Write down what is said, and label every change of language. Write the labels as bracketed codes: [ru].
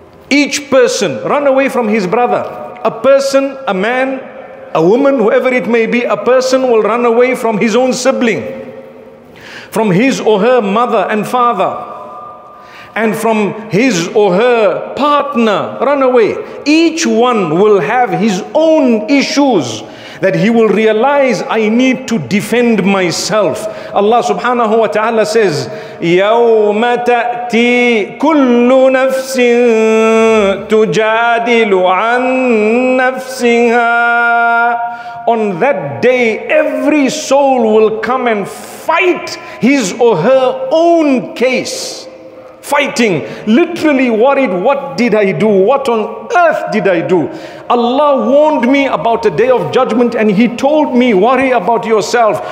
[en] Each person run away from his brother. A person, a man, a woman, whoever it may be, a person will run away from his own sibling, from his or her mother and father, and from his or her partner. Run away. Each one will have his own issues that he will realize, I need to defend myself. Allah subhanahu wa ta'ala says, [ar] يَوْمَ تَأْتِي كُلُّ نَفْسٍ تُجَادِلُ عَن نَفْسِهَا. [en] On that day, every soul will come and fight his or her own case. Fighting, literally worried, what did I do? What on earth did I do? Allah warned me about a day of judgment and he told me, worry about yourself.